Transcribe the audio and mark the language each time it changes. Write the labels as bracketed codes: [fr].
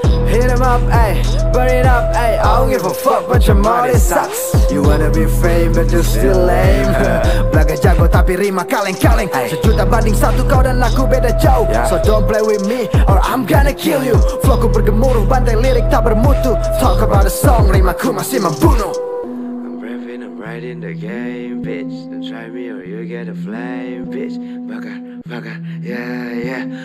[en] Hit em up, ay, burn it up, ay. I don't give a fuck, but your money sucks. You wanna be fame, but you still lame. [id] Belaga jago, tapi rima kaleng-kaleng. Sejuta banding satu, kau dan aku beda jauh. [en] So don't play with me, or I'm gonna kill you. [id] Flow ku bergemuruh, bantai lirik tak bermutu. [en] Talk about a song, [id] rima ku masih membunuh. [en] Riding the game, bitch. Don't try me or you get a flame, bitch. [id] Bakar, bakar, [en] yeah, yeah.